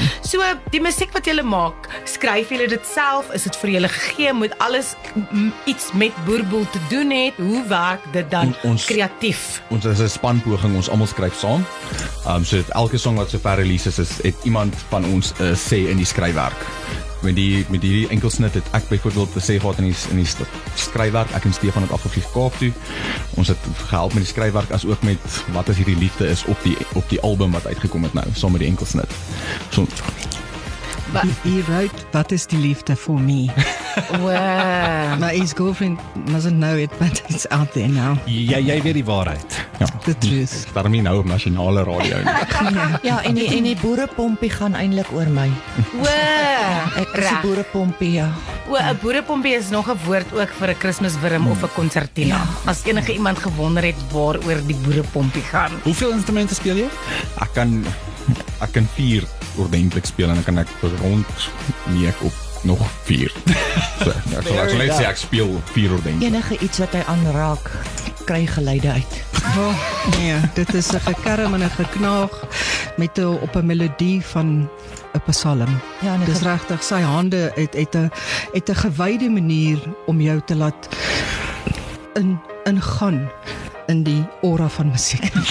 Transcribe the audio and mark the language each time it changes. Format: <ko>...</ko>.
<af>So die musiek wat julle maak, skryf julle dit self? Is dit vir julle gegee? Moet alles iets met boerboel te doen het? Hoe werk dit dan ons, kreatief? Ons is 'n spanpoging. Ons almal skryf saam. So elke song wat sover releases is, het iemand van ons sê in die skryfwerk. Met die enkelsnit het ek byvoorbeeld te sê gehad in die skryfwerk. Ek en Stefan het afgevlieg Kaap toe. Ons het gehelp met die skryfwerk as ook met wat as hierdie liefde is op die album wat uitgekom het nou, saam met die enkelsnit. So,</af> <en>he wrote, "That is the liefde for me." Wow. My his girlfriend doesn't know it, but it's out there now.</en> <af>Ja, jy weet die waarheid. Ja.</af> <en>The truth.</en> <af>Daarom nou op nasionale radio. Ja, en die boerepompie gaan eintlik oor my. Wow. Ek is 'n boerepompie, ja. Wow, 'n boerepompie is nog 'n woord ook vir 'n Kersworm of 'n konsertina. Ja. As enige iemand gewonder het waaroor die boerepompie gaan. Hoeveel instrumente speel jy? Ek kan 4 ordentlik speel en dan kan ek rond meek op nog 4. So, ek sal net sê ek speel 4 ordentlik. Enige iets wat hy aanraak, kry geluide uit. Oh, nee, dit is 'n gekerm en 'n geknaag met op 'n melodie van 'n psalm. Ja, dis regtig, sy hande het 'n gewyde manier om jou te laat ingaan in die aura van musiek.</af>